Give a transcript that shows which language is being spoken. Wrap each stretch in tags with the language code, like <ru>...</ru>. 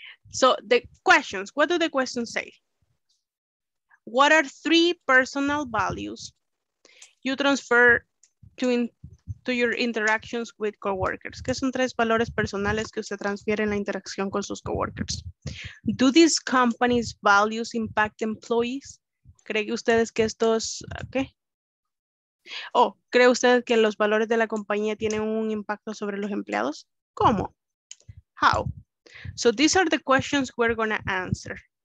<en>So the questions, what do the questions say? What are three personal values you transfer to your interactions with coworkers?</en> <es>¿Qué son tres valores personales que usted transfiere en la interacción con sus coworkers?</es> <en>Do these companies' values impact employees?</en> <es>¿Cree que ustedes que estos, qué? Okay. Oh, ¿cree usted que los valores de la compañía tienen un impacto sobre los empleados? ¿Cómo?</es> <en>How? So these are the questions we're going to answer.</en>